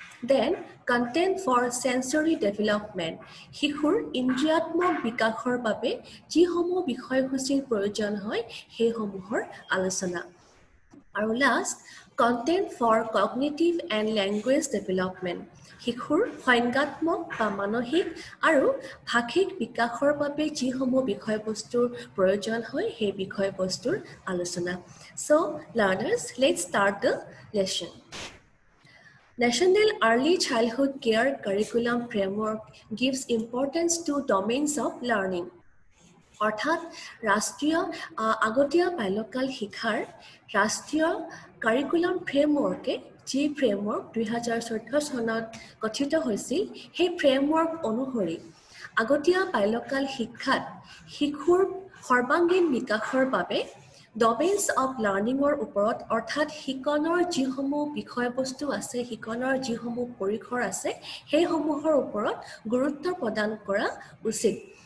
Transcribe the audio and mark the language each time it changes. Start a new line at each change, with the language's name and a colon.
English: Then, content for sensory development,
Assamese: শিশুৰ ইন্দ্ৰিয়াত্মক বিকাশৰ বাবে যিসমূহ বিষয়সূচীৰ প্ৰয়োজন হয় সেইসমূহৰ আলোচনা। আৰু last,
English: content for cognitive and language development,
Assamese: শিশুৰ সংজ্ঞাত্মক বা মানসিক আৰু ভাষিক বিকাশৰ বাবে যিসমূহ বিষয়বস্তুৰ প্ৰয়োজন হয় সেই বিষয়বস্তুৰ আলোচনা।
English: So, learners, let's start the lesson. National Early Childhood Care Curriculum Framework gives importance to domains of learning.
Assamese: অৰ্থাৎ ৰাষ্ট্ৰীয় আগতীয়া বাল্যকাল শিক্ষাৰ ৰাষ্ট্ৰীয় কাৰিকুলাম ফ্ৰেমৱৰ্কে, যি ফ্ৰেমৱৰ্ক 2014 চনত গঠিত হৈছিল, সেই ফ্ৰেমৱৰ্ক অনুসৰি আগতীয়া বাল্যকাল শিক্ষাত শিশুৰ সৰ্বাংগীন বিকাশৰ বাবে ডমেইনচ অফ লাৰ্ণিঙৰ ওপৰত, অৰ্থাৎ শিকনৰ যিসমূহ বিষয়বস্তু আছে, শিকনৰ যিসমূহ পৰিসৰ আছে, সেইসমূহৰ ওপৰত গুৰুত্ব প্ৰদান কৰা উচিত।